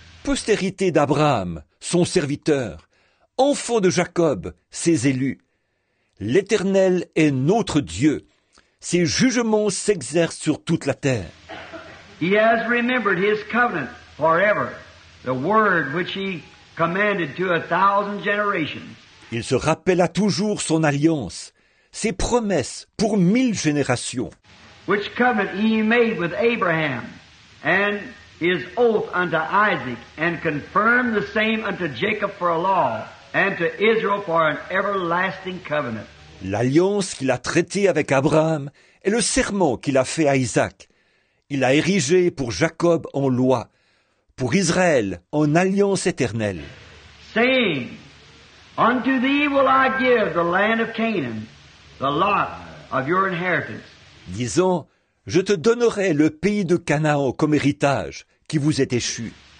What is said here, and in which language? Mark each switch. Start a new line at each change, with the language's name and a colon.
French: Postérité d'Abraham, son serviteur, enfant de Jacob, ses élus, l'Éternel est notre Dieu, ses jugements s'exercent sur toute la terre.
English: He has remembered his covenant forever, the word which he commanded to a thousand generations.
French: Il se rappela toujours son alliance, ses promesses pour mille générations.
English: Which covenant he made with Abraham, and his oath unto Isaac, and confirmed the same unto Jacob for a law, and to Israel for an everlasting covenant.
French: L'alliance qu'il a traitée avec Abraham est le serment qu'il a fait à Isaac. Il a érigé pour Jacob en loi. Pour Israël, en alliance éternelle.
English: Saying, unto thee will I give the land of Canaan, the lot of your inheritance.
French: Disant, je te donnerai le pays de Canaan comme héritage qui vous est échu.